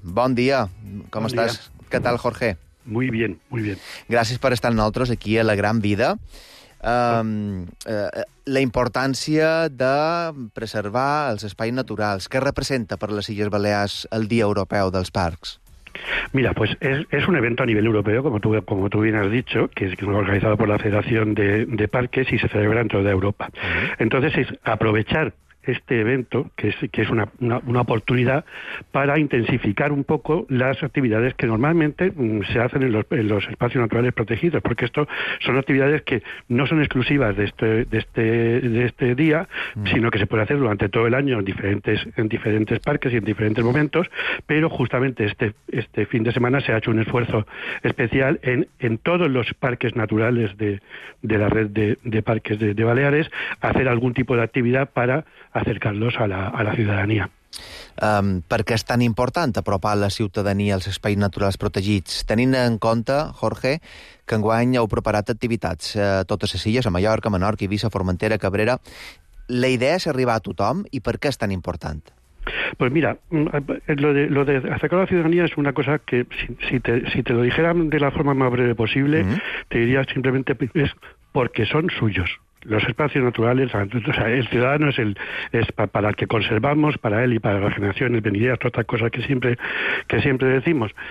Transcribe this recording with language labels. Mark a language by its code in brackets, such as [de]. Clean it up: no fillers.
[ca] Bon dia, com estàs? Bon dia. Què tal, Jorge? [es] Muy bien, muy bien. [ca] Gràcies per estar amb nosaltres aquí a La Gran Vida. La importància de preservar els espais naturals. Què representa per les Illes Balears el Dia Europeu dels Parcs? [es] Mira, pues es un evento a nivel europeo, como tú bien has dicho, que es organizado por la Federación de Parques y se celebra dentro de Europa. Entonces es aprovechar este evento, que es una oportunidad para intensificar un poco las actividades que normalmente se hacen en los espacios naturales protegidos, porque esto son actividades que no son exclusivas de este día, sino que se puede hacer durante todo el año en diferentes parques y en diferentes momentos, pero justamente este fin de semana se ha hecho un esfuerzo especial en todos los parques naturales de la red de parques de Baleares, hacer algún tipo de actividad para acercar-los [ca] a la ciutadania. Per què és tan important apropar la ciutadania als espais naturals protegits? Tenint en compte, Jorge, que enguany heu preparat activitats a totes les illes, a Mallorca, Menorca, Eivissa, Formentera, Cabrera. La idea és arribar a tothom i per què és tan important? [es] Pues mira, lo de acercar a la ciudadanía es una cosa que si te lo dijeran de la forma más breve posible, te diría simplemente es porque son suyos. Los espacios naturales, o sea, el ciudadano es para el que conservamos, para él y para las generaciones venideras, todas estas cosas que siempre decimos.